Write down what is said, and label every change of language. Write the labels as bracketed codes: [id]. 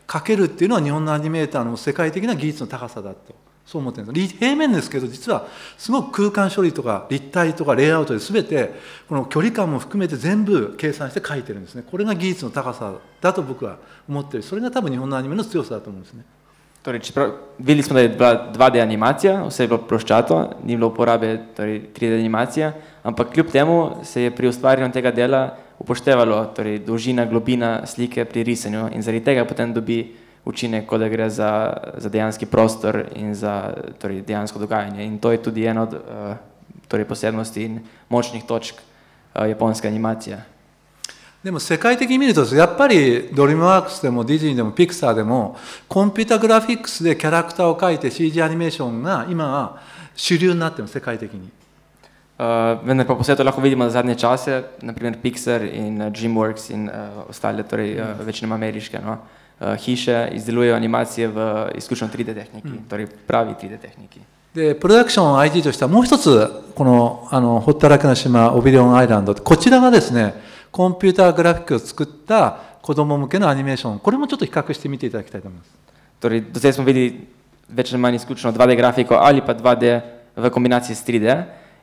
[ja] かけるっていうのは日本のアニメーターの世界的な技術の高さだとそう思ってるんです。平面ですけど実はすごく空間処理とか立体とかレイアウトで全てこの距離感も含めて全部計算して描いてるんですね。これが技術の高さだと僕は思ってる。それが多分日本のアニメの強さだと思うんですね。 [sl] Torej, čeprav videli smo, da je 2D animacija, vse je bilo ploščato, ni bilo uporabe torej, 3D animacija, ampak kljub temu se je pri ustvarjanju tega dela upoštevalo torej, dolžina, globina slike pri risanju in zaradi tega potem dobi učinek, kot da gre za, za dejanski prostor in za torej, dejansko dogajanje. In to je tudi ena od torej, posebnosti in močnih točk japonske animacije. [ja] でも世界的に見るとやっぱりドリームワークスでもディズニーでもピクサーでもコンピュータグラフィックスでキャラクターを描いて CG アニメーションが今は主流になっています世界的に。 [sl] Vendar pa posebej to lahko vidimo za zadnje čase, na primer Pixar in DreamWorks in ostale, torej večinem ameriške no, hiše izdelujejo animacije v izključno 3D tehniki, torej pravi 3D tehniki. [ja] でプロダクション IG としてはもう一つこのあのほったらかの島オビリオンアイランド、こちらがですねコンピューターグラフィックを作った子ども向けのアニメーション、これもちょっと比較してみていただきたいと思います。とりあえず、私たちは前に少しの 2D グラフィックを、あるいは 2D のコンビネーションで 3D。